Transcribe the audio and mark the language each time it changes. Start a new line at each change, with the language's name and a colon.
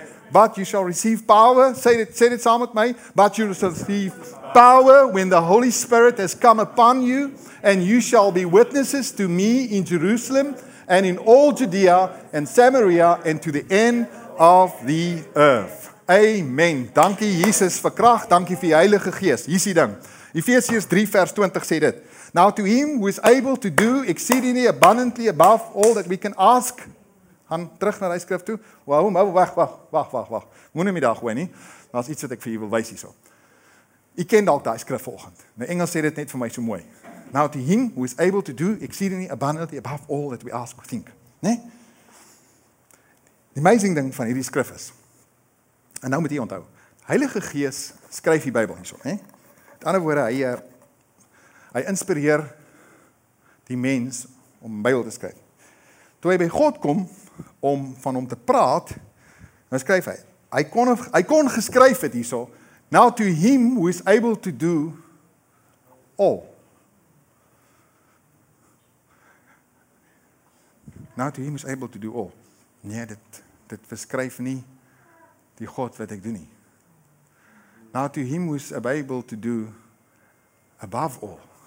English: But you shall receive power, say it
Afrikaans: saam met my,
English: but you shall receive power when the Holy Spirit has come upon you, and you shall be witnesses to me in Jerusalem, and in all Judea, and Samaria, and to the end of the earth.
Afrikaans: Amen. Dankie Jesus vir krag, dankie vir die Heilige Gees. Hier is die ding. Efesiërs 3 vers 20 sê dit.
English: Now to him who is able to do exceedingly abundantly above all that we can ask.
Afrikaans: Gaan terug na die skrif toe. Wag. Moenie my daag hoor nie. Daar is iets wat ek vir jou wil wys hierso. Ek ken dalk daai skrif volgend. In Engels sê dit net vir my so mooi.
English: Now to him who is able to do exceedingly abundantly above all that we ask or think.
Afrikaans: Né? Nee? Die amazing ding van hierdie skrif is, en nou moet jy onthou, Heilige Gees skryf die Bybel hierso, hè? Met ander woorde, hy inspireer die mens om die Bybel te skryf. Toe hy by God kom, om van hom te praat, dan skryf hy, hy kon geskryf het hierso,
English: now to him who is able to do all. Now to him who is able to do all.
Afrikaans: Nee, dit beskryf nie die God wat ek doen nie.
English: Now to him who is able to do above all.